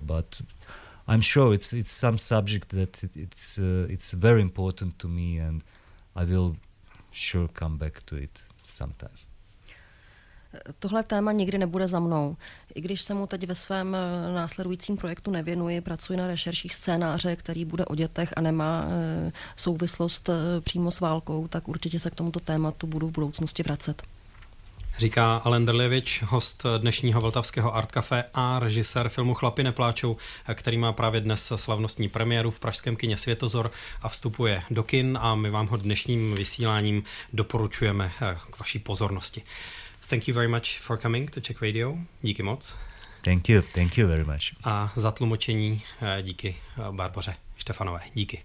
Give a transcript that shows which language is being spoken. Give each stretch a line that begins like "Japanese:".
English: But I'm sure it's some subject that it's very important to me, and I will sure come back to it sometime.
Czech: Tohle téma nikdy nebude za mnou. I když se mu teď ve svém následujícím projektu nevěnuji, pracuji na rešerších scénáře, který bude o dětech a nemá souvislost přímo s válkou, tak určitě se k tomuto tématu budu v budoucnosti vracet. Říká Alen Drljevič, host dnešního vltavského Art Café a režisér filmu Chlapi nepláčou, který má právě dnes slavnostní premiéru v pražském kině Světozor a vstupuje do kin, a my vám ho dnešním vysíláním doporučujeme k vaší pozornosti.
English: Thank you very much for coming to Czech Radio.
Czech: Díky moc.
English: Thank you very much.
Czech: A za tlumočení díky Barboře Štefanové. Díky.